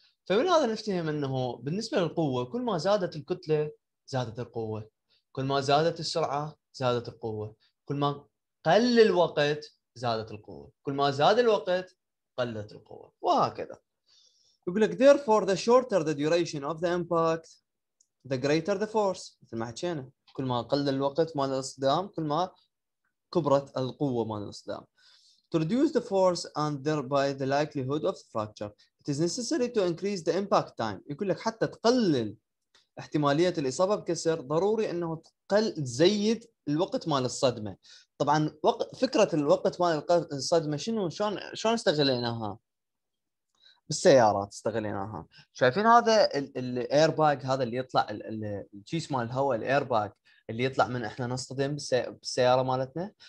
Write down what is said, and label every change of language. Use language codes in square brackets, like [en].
[ar] فمن هذا نفهم انه بالنسبه للقوه كل ما زادت الكتله زادت القوه، كل ما زادت السرعه زادت القوه، كل ما قل الوقت زادت القوه، كل ما زاد الوقت قلت القوه، وهكذا. يقول لك [en] therefore the shorter the duration of the impact the greater the force، [ar] مثل ما حكينا كل ما قل الوقت مال الاصطدام كل ما كبرت القوه مال الاصطدام. [en] To reduce the force and thereby the likelihood of the fracture it is necessary to increase the impact time. [ar] يقول لك حتى تقلل احتمالية الإصابة بكسر ضروري أنه تزيد الوقت مال الصدمة. طبعا فكرة الوقت مال الصدمة شنو، شلون استغليناها بالسيارات؟ استغليناها، شايفين هذا الاير باك، هذا اللي يطلع الشيس مال الهواء، الاير باك اللي يطلع من احنا نصطدم بالسيارة مالتنا.